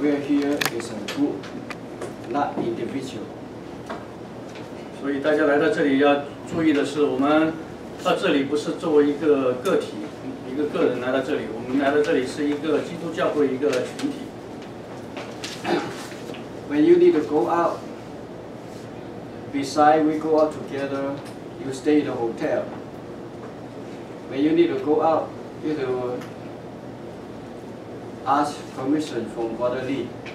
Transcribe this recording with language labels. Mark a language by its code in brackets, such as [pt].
[en] We are here as a group, not individual. [zh] 所以大家来到这里要注意的是，我们到这里不是作为一个个体、一个个人来到这里，我们来到这里是一个基督教会一个群体。 [en] When you need to go out, besides we go out together, you stay in the hotel. When you need to go out, you need to ask permission from Brother Lee.